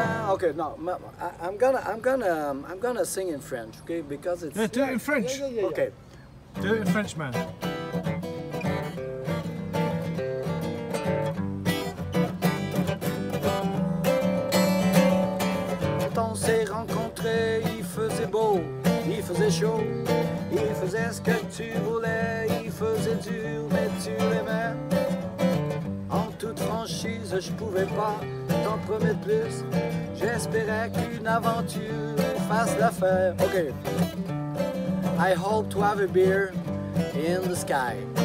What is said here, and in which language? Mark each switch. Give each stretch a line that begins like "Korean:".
English: Okay, no, I'm gonna sing in French, okay? Because it's do it in French. Yeah. Okay, do it in French, man.
French: Quand on s'est rencontré, il faisait beau, il faisait chaud. Il faisait ce que tu voulais, il faisait dur, mais tu l'aimais. En toute franchise, je pouvais pas t'en promettre plus. J'espérais qu'une aventure fasse l'affaire. Ok.
English: I hope to have a beer in the sky.